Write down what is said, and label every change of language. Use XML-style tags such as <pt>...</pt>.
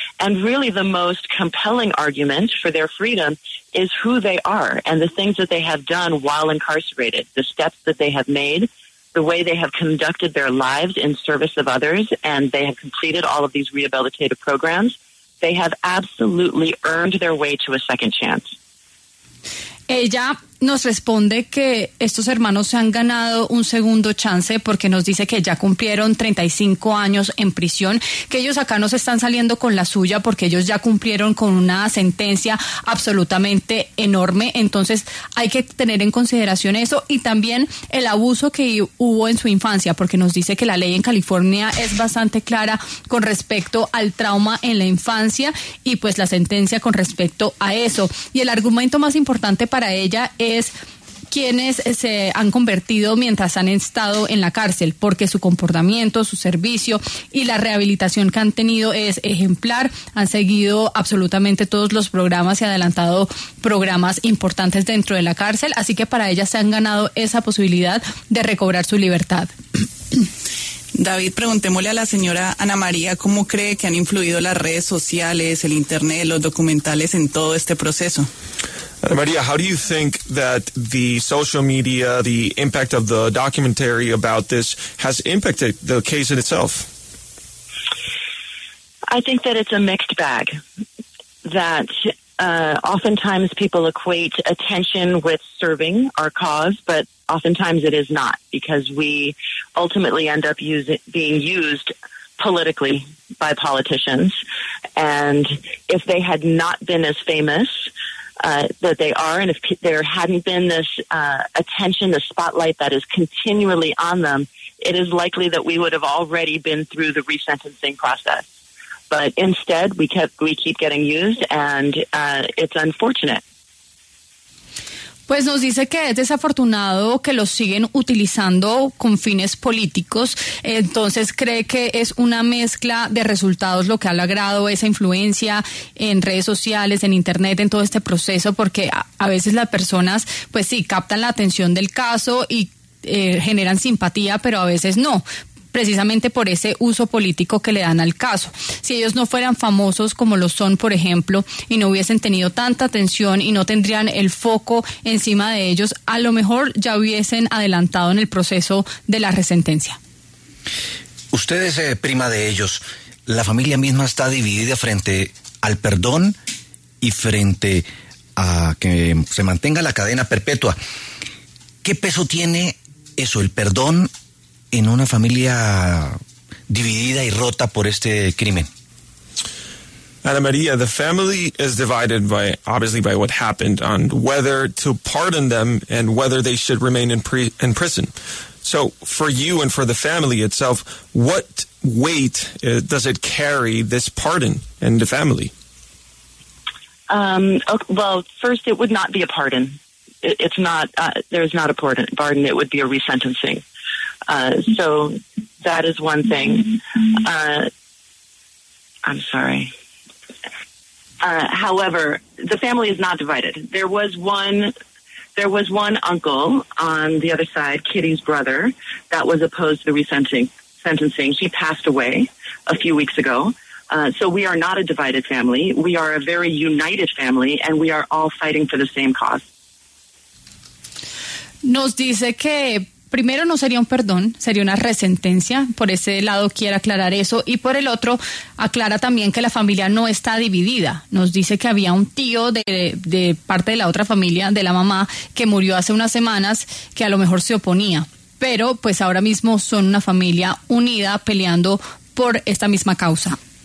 <en>And really the most compelling argument for their freedom is who they are and the things that they have done while incarcerated, the steps that they have made, the way they have conducted their lives in service of others, and they have completed all of these rehabilitative programs. They have absolutely earned their way to a second chance.</en> <es>Ella nos responde que estos hermanos se han ganado un segundo chance porque nos dice que ya cumplieron 35 años en prisión, que ellos acá no se están saliendo con la suya porque ellos ya cumplieron con una sentencia absolutamente enorme. Entonces hay que tener en consideración eso y también el abuso que hubo en su infancia, porque nos dice que la ley en California es bastante clara con respecto al trauma en la infancia y pues la sentencia con respecto a eso. Y el argumento más importante para ella es quienes se han convertido mientras han estado en la cárcel, porque su comportamiento, su servicio y la rehabilitación que han tenido es ejemplar, han seguido absolutamente todos los programas y adelantado programas importantes dentro de la cárcel, así que para ellas se han ganado esa posibilidad de recobrar su libertad. David, preguntémosle a la señora Ana María cómo cree que han influido las redes sociales, el internet, los documentales en todo este proceso.</es> <en>Maria, how do you think that the social media, the impact of the documentary about this has impacted the case in itself? I think that it's a mixed bag, that oftentimes people equate attention with serving our cause, but oftentimes it is not, because we ultimately end up being used politically by politicians. And if they had not been as famous that they are, and if there hadn't been this attention, the spotlight that is continually on them, it is likely that we would have already been through the resentencing process. But instead, we keep getting used, and it's unfortunate.</en> <es>Pues nos dice que es desafortunado que lo siguen utilizando con fines políticos, entonces cree que es una mezcla de resultados lo que ha logrado esa influencia en redes sociales, en internet, en todo este proceso, porque a veces las personas, pues sí, captan la atención del caso y generan simpatía, pero a veces no, precisamente por ese uso político que le dan al caso. Si ellos no fueran famosos como lo son, por ejemplo, y no hubiesen tenido tanta atención y no tendrían el foco encima de ellos, a lo mejor ya hubiesen adelantado en el proceso de la resentencia. Usted es prima de ellos. La familia misma está dividida frente al perdón y frente a que se mantenga la cadena perpetua. ¿Qué peso tiene eso, el perdón, en una familia dividida y rota por este crimen?</es> <en>Ana María, the family is divided by, obviously, by what happened, on whether to pardon them and whether they should remain in prison. So for you and for the family itself, what weight does it carry, this pardon, in the family? Well, first, it would not be a pardon. There is not a pardon. It would be a resentencing. So that is one thing. I'm sorry. However, the family is not divided. There was one uncle on the other side, Kitty's brother, that was opposed to the resentencing. He passed away a few weeks ago. So we are not a divided family. We are a very united family, and we are all fighting for the same cause.</en> <es>Nos dice que primero no sería un perdón, sería una resentencia. Por ese lado quiere aclarar eso, y por el otro aclara también que la familia no está dividida. Nos dice que había un tío de parte de la otra familia, de la mamá, que murió hace unas semanas, que a lo mejor se oponía, pero pues ahora mismo son una familia unida peleando por esta misma causa.</es>